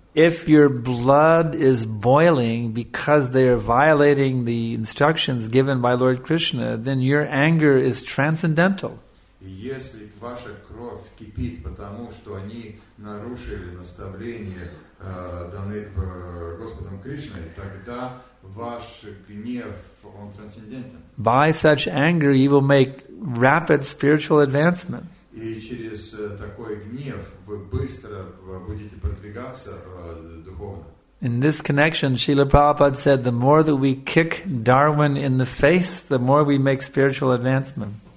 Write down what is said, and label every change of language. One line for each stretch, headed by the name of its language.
English: If your blood is boiling because they are violating the instructions given by Lord Krishna, then your anger is transcendental.
Russian: Если ваша кровь кипит, потому что они нарушили наставления, данные Господом Кришной, тогда ваш гнев, он трансцендентен.
English: By such anger, you will make rapid spiritual advancement.
Russian: И через такой гнев вы быстро будете продвигаться духовно.
English: In this connection, Srila Prabhupada said, the more that we kick Darwin in the face, the more we make spiritual advancement.